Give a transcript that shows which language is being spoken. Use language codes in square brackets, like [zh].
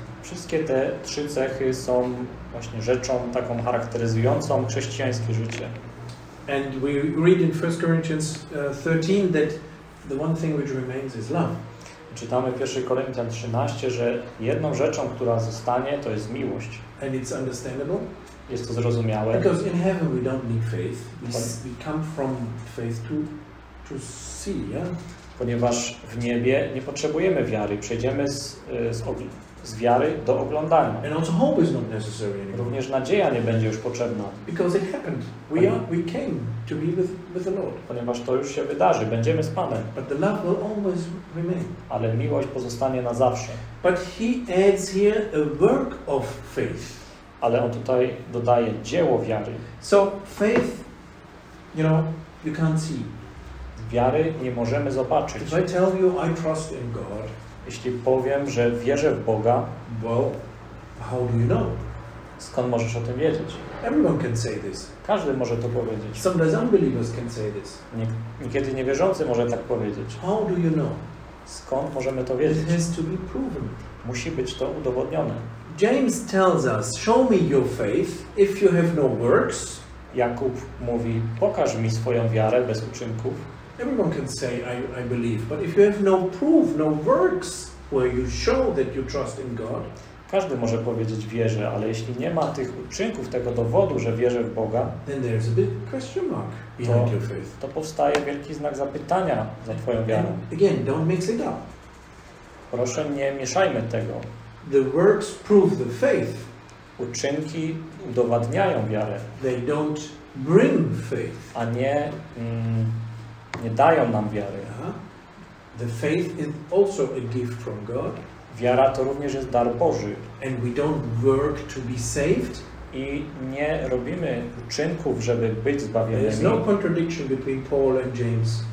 [pl] Wszystkie te trzy cechy są właśnie rzeczą taką charakteryzującą chrześcijańskie życie. [en] And we read in 1 Corinthians 13 that the one thing which remains is love. [pl] Czytamy w 1 Koryntian 13, że jedną rzeczą, która zostanie, to jest miłość. [en] And it's understandable. [pl] Jest to zrozumiałe. [en] Because in heaven we don't need faith. We come from faith to see, yeah? [pl] Ponieważ w niebie nie potrzebujemy wiary. Przejdziemy z wiary do oglądania. [en] And also hope is not necessary anymore. [pl] Również nadzieja nie będzie już potrzebna. [en] Because it happened. We came to be with the Lord. [pl] Ponieważ to już się wydarzy. Będziemy z Panem. [en] But the love will always remain. [pl] Ale miłość pozostanie na zawsze. [en] But he adds here a work of faith. [pl] Ale on tutaj dodaje dzieło wiary. [en] So faith, you know, you can't see. [pl] Wiary nie możemy zobaczyć. [en] If I tell you I trust in God, [pl] jeśli powiem, że wierzę w Boga, [en] well, how do you know? [pl] Skąd możesz o tym wiedzieć? [en] Everyone can say this. [pl] Każdy może to powiedzieć. [en] Sometimes unbelievers can say this. [pl] Niekiedy niewierzący może tak powiedzieć. [en] How do you know? [pl] Skąd możemy to wiedzieć? [en] It has to be proven. [pl] Musi być to udowodnione. [en] James tells us, show me your faith if you have no works. [pl] Jakub mówi, pokaż mi swoją wiarę bez uczynków. [en] Everyone can say I believe, but if you have no proof, no works where you show that you trust in God. [pl] Każdy może powiedzieć wierzę, ale jeśli nie ma tych uczynków, tego dowodu, że wierzę w Boga, [en] then there's a big question mark behind your faith. [pl] To powstaje wielki znak zapytania za twoją wiarę. [en] And again, don't mix it up. [pl] Proszę, nie mieszajmy tego. [en] The works prove the faith. [pl] Uczynki udowadniają wiarę. [en] They don't bring faith. [pl] A nie dają nam wiary. [en] The faith is also a gift from God. [pl] Wiara to również jest dar Boży. [en] And we don't work to be saved. [pl] I nie robimy uczynków, żeby być zbawionymi. [en] There is no contradiction between Paul and James.